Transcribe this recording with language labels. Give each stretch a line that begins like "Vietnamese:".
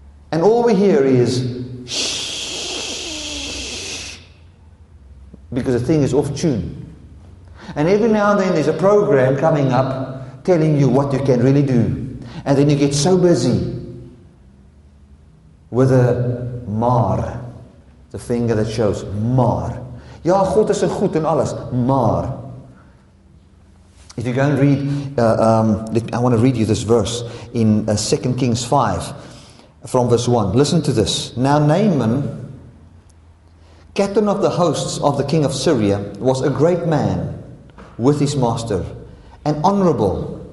English: And all we hear is, shh, because the thing is off tune. And every now and then there's a program coming up telling you what you can really do. And then you get so busy with a
Afrikaans: mar,
English: the finger that shows, mar.
Afrikaans: Ja, God is goed en alles, mar.
English: If you go and read, I want to read you this verse in 2 Kings 5. From verse 1. Listen to this. Now Naaman, captain of the hosts of the king of Syria, was a great man with his master and honorable.